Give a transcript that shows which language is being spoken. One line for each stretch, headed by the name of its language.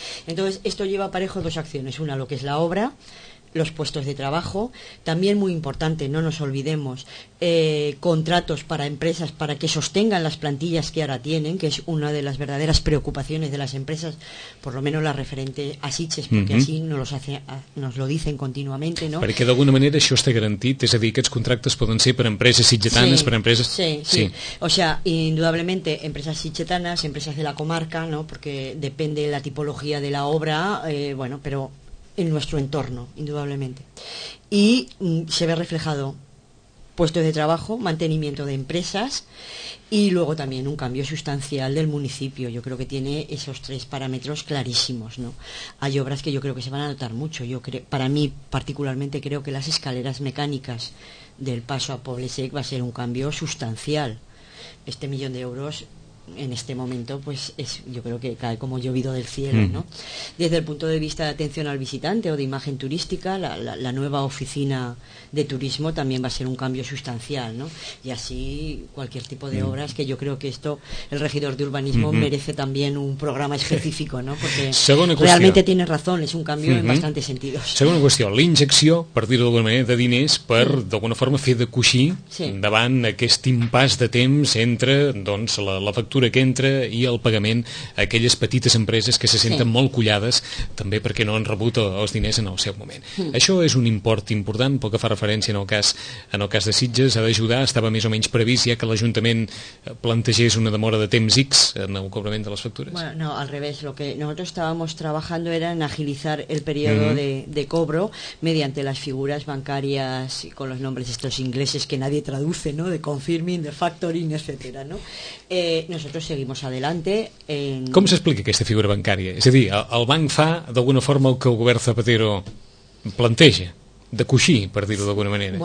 Spanish: Entonces, esto lleva aparejo dos acciones, una lo que es la obra... los puestos de trabajo, también muy importante, no nos olvidemos, contratos para empresas para que sostengan las plantillas que ahora tienen, que es una de las verdaderas preocupaciones de las empresas, por lo menos la referente a Sitges, porque así nos lo dicen continuamente, ¿no?
Catalan: Perquè d'alguna manera això està garantit, és a dir, aquests contractes poden ser per empreses sitgetanes, Sí.
Spanish: O sea, indudablemente, empresas sitgetanes, empresas de la comarca, ¿no? Porque depende la tipología de la obra, pero en nuestro entorno, indudablemente. Y se ve reflejado puestos de trabajo, mantenimiento de empresas y luego también un cambio sustancial del municipio. Yo creo que tiene esos tres parámetros clarísimos, ¿no? Hay obras que yo creo que se van a notar mucho. Para mí, particularmente, creo que las escaleras mecánicas del paso a Poble Sec va a ser un cambio sustancial. Este 1.000.000 euros en este momento, pues es, yo creo que cae como llovido del cielo, ¿no? Desde el punto de vista de atención al visitante o de imagen turística, la nueva oficina de turismo también va a ser un cambio sustancial, ¿no? Y así cualquier tipo de obras, que yo creo que esto, el regidor de urbanismo merece también un programa específico, ¿no? Porque realmente tiene razón, es un cambio en bastantes sentidos.
Catalan: Segona qüestió, la injecció, per dir-ho d'alguna manera, de diners per, d'alguna forma, fer de coixí davant aquest impàs de temps entre, doncs, la factura que entra i el pagament a aquelles petites empreses que se senten molt collades també perquè no han rebut els diners en el seu moment. Això és un import important, pel que fa referència en el cas de Sitges, ha d'ajudar, estava més o menys previst ja que l'Ajuntament plantegés una demora de temps X en el cobrament de les factures?
Spanish: Bueno, no, al revés, lo que nosotros estábamos trabajando era en agilizar el periodo de cobro mediante las figuras bancarias y con los nombres estos ingleses que nadie traduce, ¿no? De confirming, de factoring, etcétera, ¿no? Nosotros seguimos adelante en... ¿Cómo se explica que esta figura bancaria? Es decir,
Catalan: el banc fa d'alguna forma el que el govern Zapatero planteja, de coixí, per dir-ho d'alguna manera.